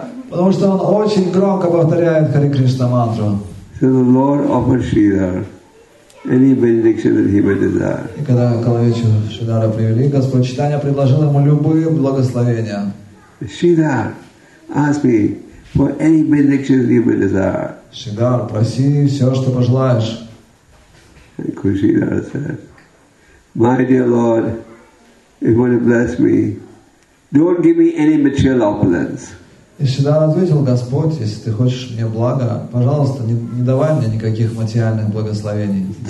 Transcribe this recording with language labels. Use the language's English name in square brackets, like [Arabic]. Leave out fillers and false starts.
[Russian] Потому что Он очень громко повторяет Харе Кришна мантру. [English] So the Lord offered Shridhar any benediction that he might desire. [Russian] И когда Калавечу Шридхара привели, Господь Чайтанья предложил ему любые благословения. [English] Шридхар, ask me for any benediction that he might desire. [Russian] Шридхар, проси все, что пожелаешь. [English] And Кришидхара said, my dear Lord, if you want to bless me, don't give me any material opulence. [Russian] И Шридхар ответил, Господь, если ты хочешь мне блага, пожалуйста, не давай мне никаких материальных благословений.